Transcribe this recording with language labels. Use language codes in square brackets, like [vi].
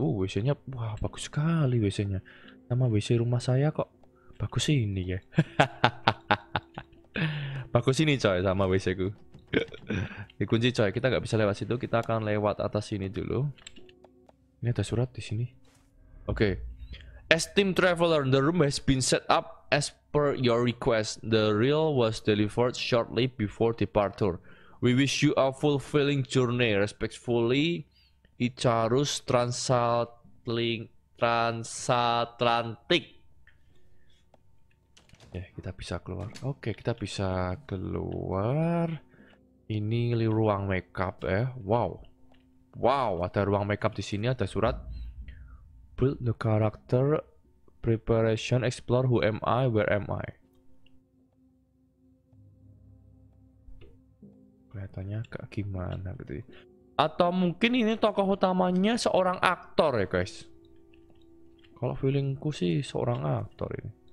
[id] WC-nya, wah bagus sekali WC-nya. Sama WC rumah saya kok bagus ini ya. Bagus ini coy, sama WC-ku. Dikunci coy, kita nggak bisa lewat situ. Kita akan lewat atas sini dulu. Ini ada surat di sini. Oke. Okay. [en] Esteemed traveler, the room has been set up as per your request, the reel was delivered shortly before departure. We wish you a fulfilling journey. Respectfully, Icarus Transatlantic. [id] Ya, kita bisa keluar. Oke, kita bisa keluar. Ini ruang makeup ya. Wow. Wow, ada ruang makeup di sini, ada surat. [en] Build the character. Preparation, explore, who am I, where am I. [id] Kelihatannya agak gimana gitu. Atau mungkin ini tokoh utamanya seorang aktor ya guys. Kalau feelingku sih seorang aktor ini.